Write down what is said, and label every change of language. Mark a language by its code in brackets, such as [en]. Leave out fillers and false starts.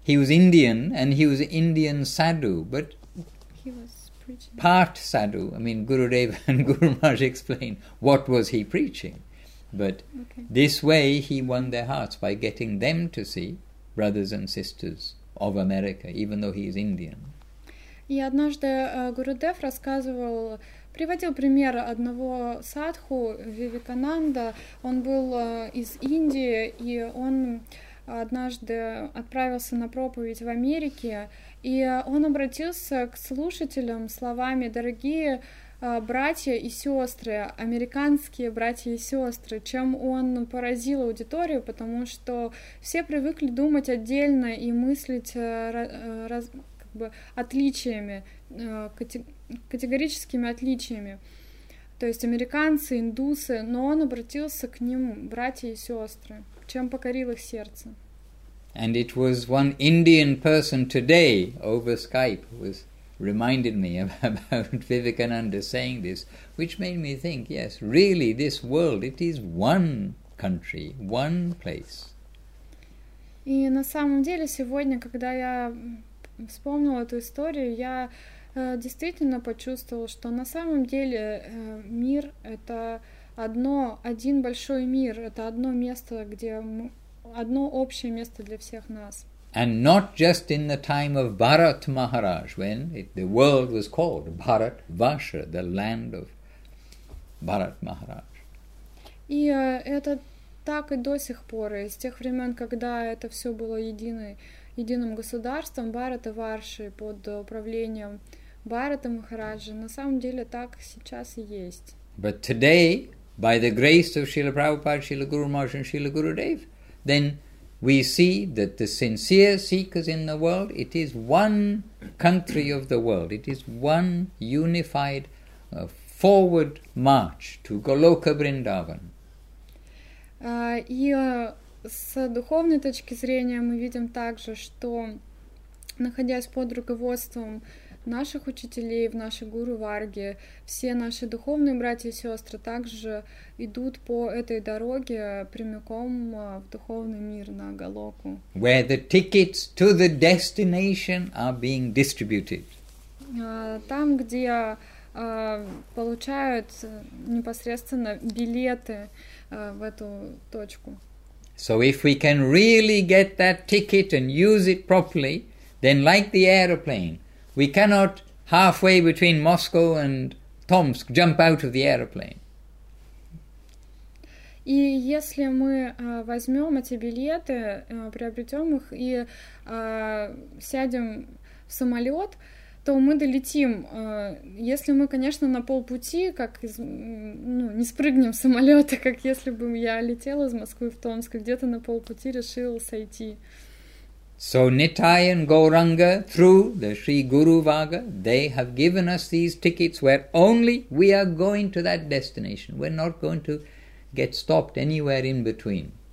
[en] He was Indian, and he was an Indian sadhu, but he was preaching part sadhu. I mean, Gurudev and Guru Maharaj explain what was he preaching. But okay, this way he won their hearts by getting them to see brothers and sisters of America, even though he is Indian. [ru] И однажды Гурудев рассказывал, приводил пример одного садху, Вивекананда. Он был из Индии, и он однажды отправился на проповедь в Америке. И он обратился к слушателям словами: «Дорогие братья и сестры, американские братья и сестры, чем он поразил аудиторию, потому что все привыкли думать отдельно и мыслить как бы отличиями, категорическими отличиями. То есть американцы, индусы, но он обратился к ним, братья и сестры, чем покорил их сердце. [en] And it was one Indian person today over Skype was reminded me about Vivekananda saying this, which made me think, yes, really, this world, it is one country, one place. [ru] И на самом деле сегодня, когда я вспомнила эту историю, я действительно почувствовала, что на самом деле мир — это одно, один большой мир, это одно место, где мы... Одно общее место для всех нас. [en] And not just in the time of Bharat Maharaj, when the world was called Bharat Varsha, the land of Bharat Maharaj. [ru] И это так и до сих пор, и с тех времен, когда это все было единым государством, Bharat Varsha, под управлением Bharat Maharaja, на самом деле так сейчас и есть. [en] But today, by the grace of Srila Prabhupada, Srila Guru Maharaj and Srila Gurudev, then we see that the sincere seekers in the world, it is one country of the world, it is one unified forward march to Goloka Vrindavan. [ru] И с духовной точки зрения мы видим также, что находясь под руководством наших учителей, в нашей Гуру Варге, все наши духовные братья и сестры также идут по этой дороге прямиком в духовный мир, на Голоку. [en] Where the tickets to the destination are being distributed. [ru] Там, где получают непосредственно билеты в эту точку. [en] So if we can really get that ticket and use it properly, then like the aeroplane, we cannot halfway between Moscow and Tomsk jump out of the aeroplane. [ru] И если мы возьмем эти билеты, приобретем их и сядем в самолет, то мы долетим. Если мы, конечно, на полпути, как из, ну, не спрыгнем с самолета, как если бы я летела из Москвы в Томск, где-то на полпути решила сойти. [en] So Nittai and Gauranga, through the Sri Guru Varga, they have given us these tickets where only we are going to that destination. We're not going to get stopped anywhere in between.